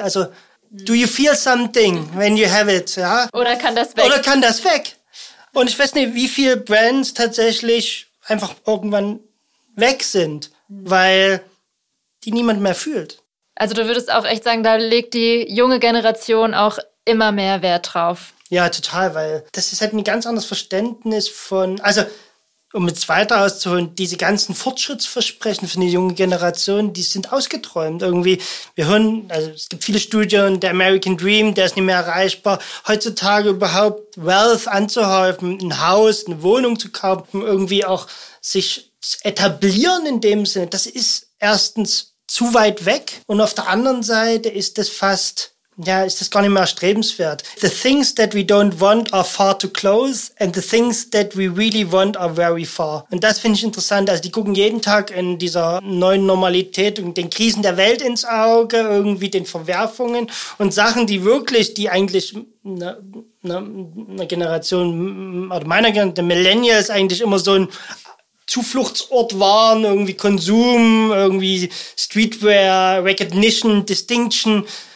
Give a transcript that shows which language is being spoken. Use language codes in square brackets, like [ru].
[en] Also, do you feel something when you have it? [de] Ja? Oder kann das weg? Oder kann das weg? Und ich weiß nicht, wie viele Brands tatsächlich einfach irgendwann weg sind, weil die niemand mehr fühlt. Also du würdest auch echt sagen, da legt die junge Generation auch immer mehr Wert drauf. Ja, total, weil das ist halt ein ganz anderes Verständnis von, also um es weiter auszuholen, diese ganzen Fortschrittsversprechen für die junge Generation, die sind ausgeträumt irgendwie. Wir hören, also es gibt viele Studien, der American Dream, der ist nicht mehr erreichbar. Heutzutage überhaupt Wealth anzuhäufen, ein Haus, eine Wohnung zu kaufen, irgendwie auch sich zu etablieren in dem Sinne, das ist erstens zu weit weg und auf der anderen Seite ist das fast, ja, ist das gar nicht mehr erstrebenswert. [en] The things that we don't want are far too close and the things that we really want are very far. [de] Und das finde ich interessant, also die gucken jeden Tag in dieser neuen Normalität und den Krisen der Welt ins Auge, irgendwie den Verwerfungen und Sachen, die wirklich, die eigentlich eine Generation, oder meiner Generation, der Millennials eigentlich immer so ein Zufluchtsort waren, irgendwie Konsum, irgendwie Streetwear, Recognition, Distinction.